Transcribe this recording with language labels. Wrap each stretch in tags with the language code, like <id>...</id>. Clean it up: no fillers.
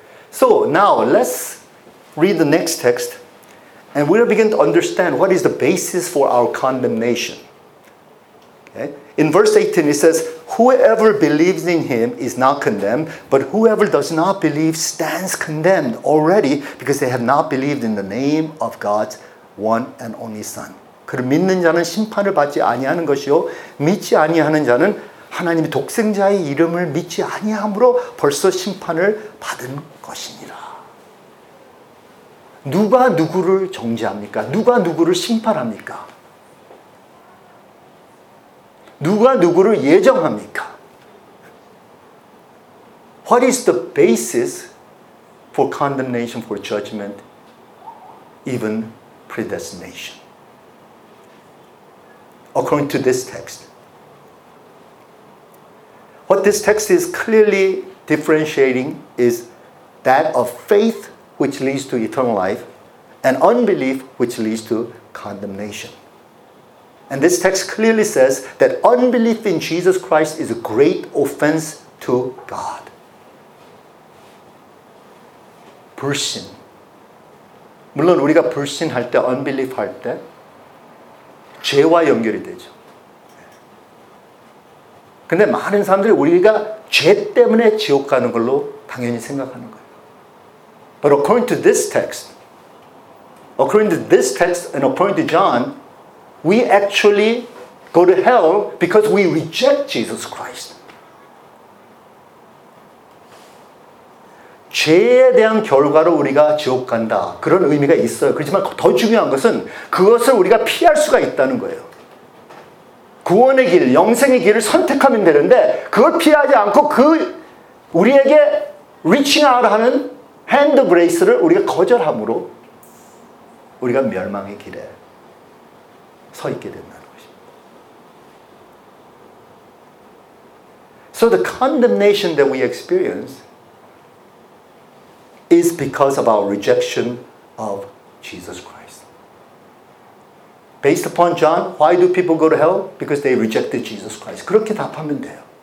<en>So now let's read the next text, and we'll begin to understand what is the basis for our condemnation. Okay? In verse 18, it says, whoever believes in Him is not condemned, but whoever does not believe stands condemned already because they have not believed in the name of God's one and only Son.</en> <ko>그를 믿는 자는 심판을 받지 아니하는 것이요 믿지 아니하는 자는 하나님의 독생자의 이름을 믿지 아니함으로 벌써 심판을 받은 것이니라. 누가 누구를 정죄합니까? 누가 누구를 심판합니까? 누가 누구를 예정합니까?</ko> <en>What is the basis for condemnation, for judgment, even predestination? According to this text, what this text is clearly differentiating is that of faith, which leads to eternal life, and unbelief, which leads to condemnation. And this text clearly says that unbelief in Jesus Christ is a great offense to God.</en> <ko>Person. 물론 우리가 불신할 때, unbelief 할 때 죄와 연결이 되죠. 근데 많은 사람들이 우리가 죄 때문에 지옥 가는 걸로 당연히 생각하는 거예요.</ko> <en>But according to this text, according to this text and according to John, we actually go to hell because we reject Jesus Christ.</en> <ko>죄에 대한 결과로 우리가 지옥 간다. 그런 의미가 있어요. 그렇지만 더 중요한 것은 그것을 우리가 피할 수가 있다는 거예요. 구원의 길, 영생의 길을 선택하면 되는데 그걸 피하지 않고 그 우리에게</ko> <en>reaching out</en> <ko>하는 핸드브레이스를 우리가 거절함으로 우리가 멸망의 길에 서 있게 된다는 것입니다.</ko> <en>So the condemnation that we experience is because of our rejection of Jesus Christ. Based upon John, why do people go to hell? Because they rejected Jesus Christ.</en> <ko>그렇게 답하면 돼요.</ko>